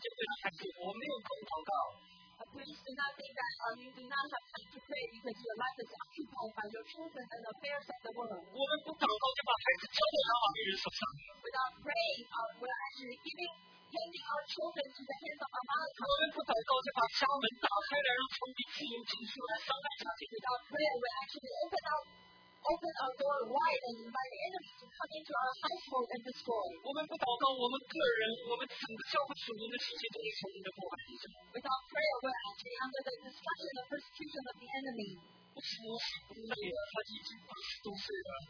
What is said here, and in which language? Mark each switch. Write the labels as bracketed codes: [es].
[en] Please do not think that you do not have time to pray because your life is occupied by your children and affairs of the world. Without praying, we're actually giving. Handing our children to the hands of Amalekites. [zh] 我们不祷告，就把家门打开来，让仇敌自由进出，来伤害家庭。 [en] Without prayer, we actually open our door wide and invite the enemy to come into our household and destroy. [zh] 我们不祷告，我们个人，我们整个教会属灵的世界都是仇敌的破坏。 [en] Without prayer, we actually under the destruction and persecution of the enemy. [zh] 不是摩西不累了，他已经80多岁了。